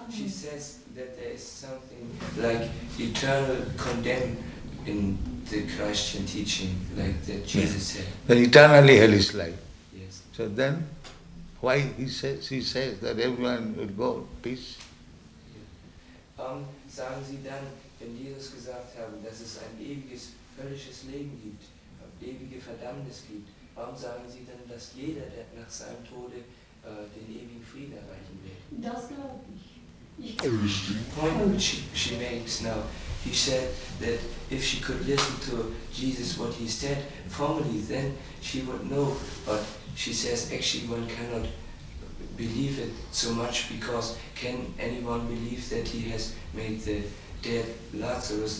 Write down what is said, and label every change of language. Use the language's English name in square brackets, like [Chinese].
[English] She says that there is something like eternal condemned in the Christian teaching, like that Jesus yes. said. Then eternally hell is like. Yes. So then, why she says that everyone will go peace? [German] Sagen Sie dann, wenn Jesus gesagt hat, dass es ein ewiges höllisches Leben gibt, ewige Verdammnis gibt. Warum sagen Sie dann, dass jeder, der nach seinem Tode den ewigen Frieden erreichen will? Das glaube ich. Ich [English] the point which she makes now, he said that if she could listen to Jesus, what he said formally, then she would know. But she says, actually one cannot believe it so much, because can anyone believe that he has made the dead Lazarus?